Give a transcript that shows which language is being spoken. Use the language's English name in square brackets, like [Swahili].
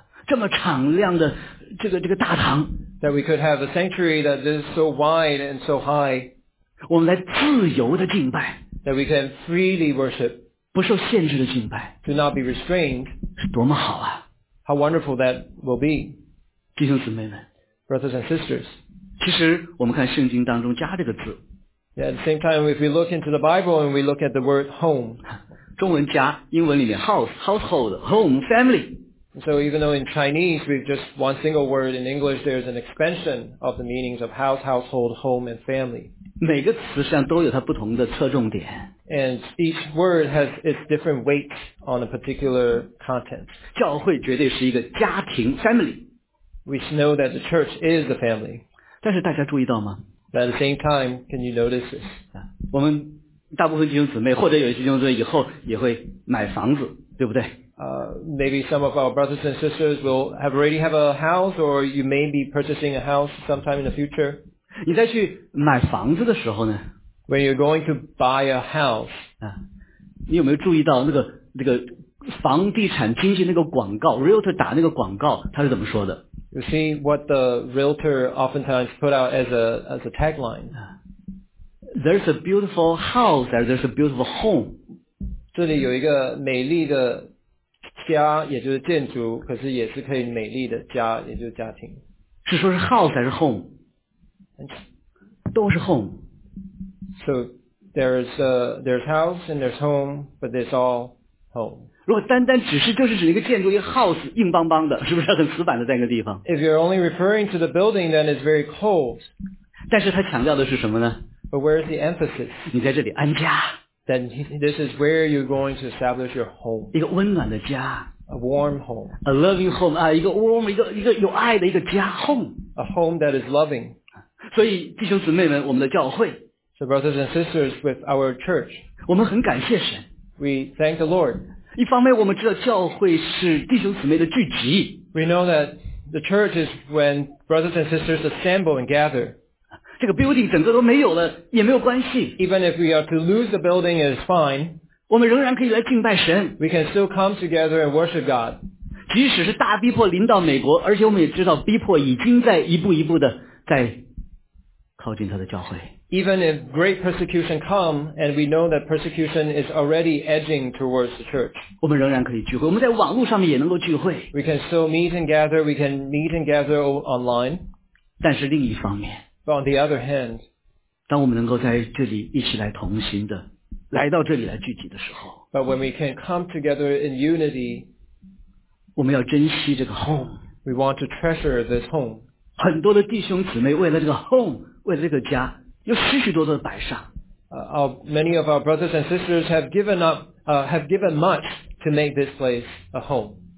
[Chinese] 这么敞亮的这个大堂, [English] that we could have a sanctuary that is so wide and so high, [Chinese] 我们来自由的敬拜, [English] that we can freely worship, [Chinese] 不受限制的敬拜, [English] to not be restrained, [Chinese] 多么好啊, [English] how wonderful that will be, [Chinese] 弟兄姊妹们, [English] brothers and sisters, [Chinese] 其实我们看圣经当中家这个字。 [English] Yeah, at the same time, if we look into the Bible and we look at the word home, [Chinese] 中文家，英文里面 house, household, home, family. [English] So even though in Chinese, we've just one single word, in English, there's an expansion of the meanings of house, household, home, and family. [Chinese] 每个词实际上都有它不同的侧重点。 [English] And each word has its different weight on a particular content. [Chinese] 教会绝对是一个家庭 family. [English] We know that the church is a family. [Chinese] 但是大家注意到吗？ [English] But at the same time, can you notice this? [Chinese] 我们大部分弟兄姊妹或者有些弟兄姊妹以后也会买房子，对不对？ [English] Maybe some of our brothers and sisters will already have a house, or you may be purchasing a house sometime in the future. [Chinese] 你再去买房子的时候呢？ [English] When you're going to buy a house, [Chinese] 你有没有注意到那个房地产经纪那个广告 ，realtor 打那个广告，他是怎么说的？ [English] You see what the realtor oftentimes put out as a tagline. There's a beautiful house, and there's a beautiful home. [Chinese] 这里有一个美丽的家，也就是建筑，可是也是可以美丽的家，也就是家庭。是说是 house 还是 home? 都是 home. [English] So there's house and there's home, but it's all home. [Chinese] 如果单单只是就是指一个建筑，一个 house 硬邦邦的，是不是很死板的在一个地方 [English] ？If you're only referring to the building, then it's very cold. [Chinese] 但是他强调的是什么呢 [English] ？But where's the emphasis? [Chinese] 你在这里安家。 [English] Then this is where you're going to establish your home. [Chinese] 一个温暖的家。 [English] A warm home. A loving home [Chinese] 啊，一个 warm 一个有爱的一个家 home. [English] A home that is loving. [Chinese] 所以弟兄姊妹们，我们的教会。 [English] So brothers and sisters with our church. [Chinese] 我们很感谢神。 [English] We thank the Lord. [Chinese] 一方面我们知道教会是弟兄姊妹的聚集。 [English] We know that the church is when brothers and sisters assemble and gather. [Chinese] 这个 building 整个都没有了也没有关系。 [English] Even if we are to lose the building, it is fine. [Chinese] 我们仍然可以来敬拜神。 [English] We can still come together and worship God. [Chinese] 即使是大逼迫临到美国，而且我们也知道逼迫已经在一步一步的在靠近他的教会。 [English] Even if great persecution come, and we know that persecution is already edging towards the church, [Chinese] 我们仍然可以聚会。我们在网络上面也能够聚会。 [English] We can still meet and gather. We can meet and gather online. [Chinese] 但是另一方面 [English] ，But on the other hand, [Chinese] 当我们能够在这里一起来同心的来到这里来聚集的时候 [English] ，But when we can come together in unity, [Chinese] 我们要珍惜这个 home. [English] We want to treasure this home. [Chinese] 很多的弟兄姊妹为了这个 home， 为了这个家，有许许多多的摆上。 [English] Many of our brothers and sisters have given up, have given much to make this place a home.